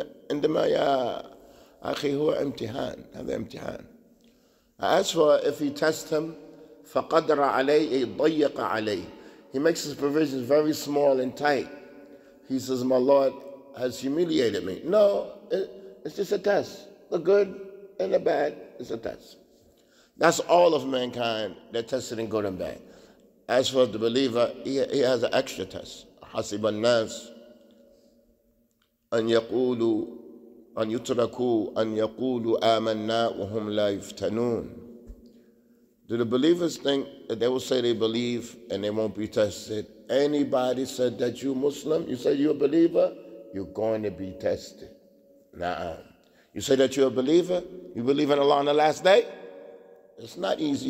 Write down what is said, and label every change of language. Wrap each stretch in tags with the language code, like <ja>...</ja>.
<ar>عندما يَا أخي هو امتحان, هذا امتحان.</ar> <en>As for if he tests him,</en> <ar>فقدر عليه, ضيق عليه.</ar> <en>He makes his provisions very small and tight. He says, my Lord has humiliated me. No, it's just a test. The good and the bad is a test. That's all of mankind, they're tested in good and bad. As for the believer, he has an extra test.</en> <ar>حسب الناس أن يقولوا أن يتركوا أن يقولوا آمنا وهم لا يفتنون.</ar> <en>Do the believers think that they will say they believe and they won't be tested? Anybody said that you Muslim, you say you're a believer, you're going to be tested. Nah. You say that you're a believer, you believe in Allah on the last day? It's not easy.</en>